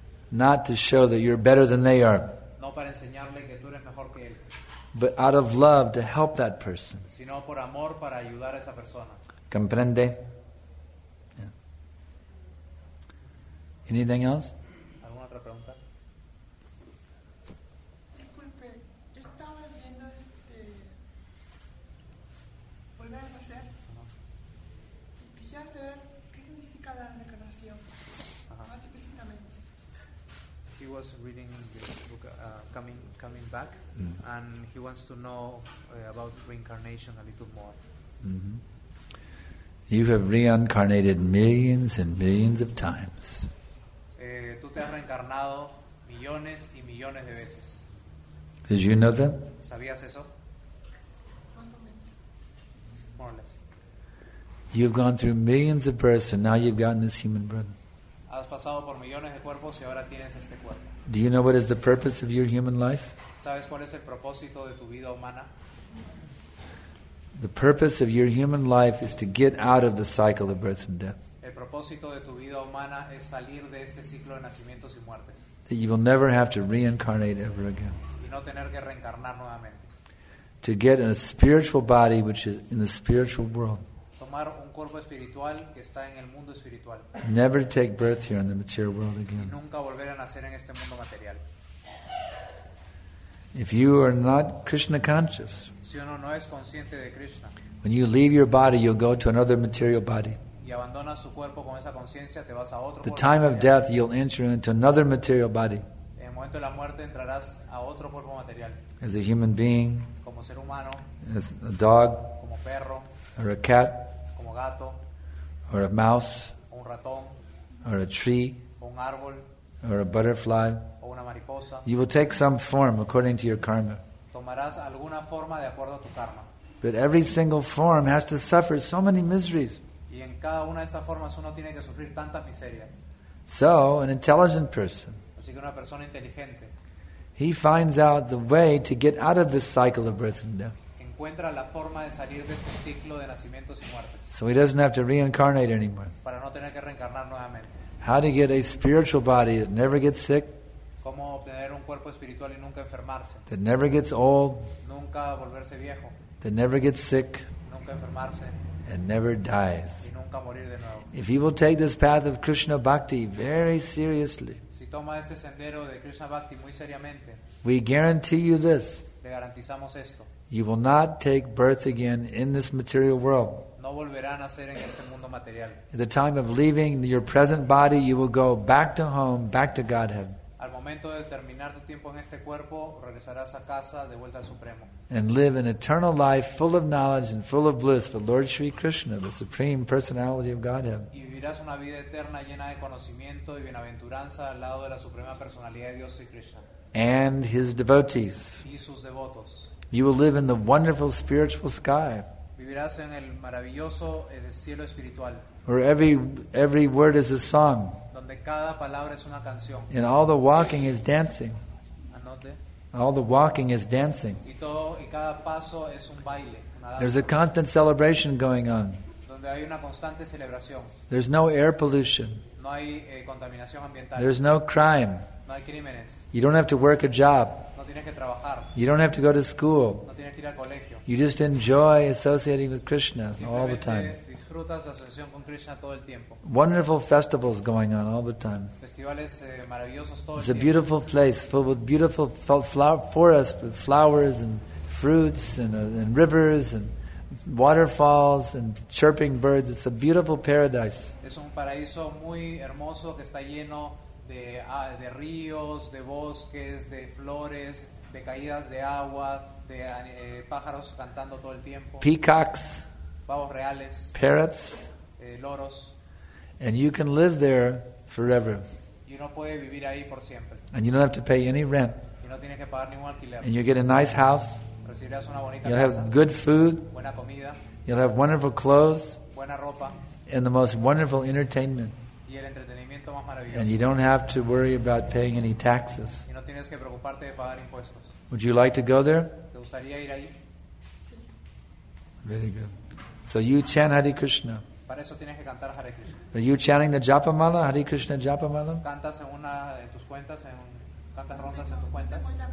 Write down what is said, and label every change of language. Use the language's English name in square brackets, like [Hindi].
[English] Not to show that you're better than they are. [Spanish] No para enseñarle que tú eres mejor que él. [English] But out of love to help that person. [Spanish] Sino por amor para ayudar a esa persona. ¿Comprende? [English] Yeah. Anything else? [Spanish] ¿Alguna otra pregunta? Disculpe, yo estaba viendo volver a nacer. Quisiera saber qué significa la reencarnación. Más específicamente. [English] He was reading coming back, mm-hmm. and he wants to know about reincarnation a little more. Mm-hmm. You have reincarnated millions and millions of times. [Spanish] Tú te has reencarnado millones y millones de veces. [English] Did you know that? [Spanish] ¿Sabías eso? [English] More or less. You've gone through millions of births, and now you've gotten this human brother. [Spanish] Has pasado por millones de cuerpos y ahora tienes este cuerpo. [English] Do you know what is the purpose of your human life? [Spanish] ¿Sabes cuál es el propósito de tu vida humana? [English] The purpose of your human life is to get out of the cycle of birth and death. [Spanish] El propósito de tu vida humana es salir de este ciclo de nacimientos y muertes. [English] That you will never have to reincarnate ever again. [Spanish] Y no tener que reencarnar nuevamente. [English] To get a spiritual body which is in the spiritual world. [Spanish] Tomar un cuerpo espiritual que está en el mundo espiritual. [English] Never take birth here in the material world again. [Spanish] Nunca volver a nacer en este mundo material. [English] If you are not Krishna conscious, [Spanish] si uno no es consciente de Krishna, [English] when you leave your body, you'll go to another material body. [Spanish] Y abandonas su cuerpo con esa conciencia, te vas a otro. [English] The time of death, you'll enter into another material body. [Spanish] En el momento de la muerte, entrarás a otro cuerpo material. [English] As a human being, [Spanish] como ser humano, [English] as a dog, [Spanish] como perro. [English] Or a cat, [Spanish] como gato, [English] or a mouse, [Spanish] un ratón, [English] or a tree, [Spanish] un árbol, [English] or a butterfly, [Spanish] o una mariposa. [English] You will take some form according to your karma. [Spanish] Tomarás alguna forma de acuerdo a tu karma. [English] But every single form has to suffer so many miseries. [Spanish] Y en cada una de estas formas uno tiene que sufrir tantas miserias. [English] So, an intelligent person, [Spanish] así que una persona inteligente, [English] he finds out the way to get out of this cycle of birth and death. [Spanish] Encuentra la forma de salir de este ciclo de nacimientos y muertes. [English] So he doesn't have to reincarnate anymore. [Spanish] Para no tener que reencarnar nuevamente. [English] How to get a spiritual body that never gets sick? [Spanish] Cómo obtener un cuerpo espiritual y nunca enfermarse. [English] That never gets old. [Spanish] Nunca volverse viejo. [English] That never gets sick. [Spanish] Nunca enfermarse. [English] And never dies. [Spanish] Y nunca morir de nuevo. [English] If he will take this path of Krishna bhakti very seriously. [Spanish] Si toma este sendero de Krishna bhakti muy seriamente. [English] We guarantee you this. [Spanish] Le garantizamos esto. [English] You will not take birth again in this material world. [Spanish] No volverán a ser en este mundo material. [English] At the time of leaving your present body, you will go back to home, back to Godhead. [Spanish] Al momento de terminar tu tiempo en este cuerpo, regresarás a casa de vuelta al Supremo. [English] And live an eternal life full of knowledge and full of bliss for Lord Sri Krishna, the Supreme Personality of Godhead. [Spanish] Y vivirás una vida eterna llena de conocimiento y bienaventuranza al lado de la Suprema Personalidad de Dios, Sri Krishna. [English] And his devotees. [Spanish] Y sus devotos. [English] You will live in the wonderful spiritual sky. [Spanish] Vivirás en el maravilloso cielo espiritual. [English] Where every word is a song. [Spanish] Donde cada palabra es una canción. [English] And all the walking is dancing. [Spanish] Anote. [English] All the walking is dancing. [Spanish] Y cada paso es un baile, una danza. [English] There's a constant celebration going on. [Spanish] donde hay una constante celebración. [English] There's no air pollution. [Spanish] No hay contaminación ambiental. [English] There's no crime. [Spanish] No hay crímenes. [English] You don't have to work a job. [Spanish] No tienes que trabajar. [English] You don't have to go to school. [Spanish] No tienes que ir al colegio. [English] You just enjoy associating with Krishna all the time. [Spanish] Disfrutas la asociación con Krishna todo el tiempo. [English] Wonderful festivals going on all the time. [Spanish] Festivales maravillosos todo el tiempo. [English] It's a beautiful place filled with beautiful forest with flowers and fruits and rivers and waterfalls and chirping birds. It's a beautiful paradise. [Spanish] Es un paraíso muy hermoso que está lleno de ríos, de bosques, de flores, de caídas de agua, de pájaros cantando todo el tiempo. [English] Peacocks. [Spanish] Pavos reales. [English] Parrots. [Spanish] Loros. [English] And you can live there forever. [Spanish] Y uno puede vivir ahí por siempre. [English] And you don't have to pay any rent. [Spanish] Y no tienes que pagar ningún alquiler. [English] And you get a nice house. You'll have good food. [Spanish] Buena comida. [English] You'll have wonderful clothes. [Spanish] Buena ropa. [English] And the most wonderful entertainment. [Spanish] Y el entretenimiento más maravilloso. [English] And you don't have to worry about paying any taxes. [Spanish] Y no tienes que preocuparte de pagar impuestos. [English] Would you like to go there? [Spanish] ¿Te gustaría ir ahí? [English] Very good. So you chant Hare Krishna. [Spanish] Para eso tienes que cantar Hare Krishna. [English] Are you chanting the Japa Mala, Hare Krishna Japa Mala? [Spanish] ¿Cantas en una de tus cuentas, cantas rondas en tus cuentas?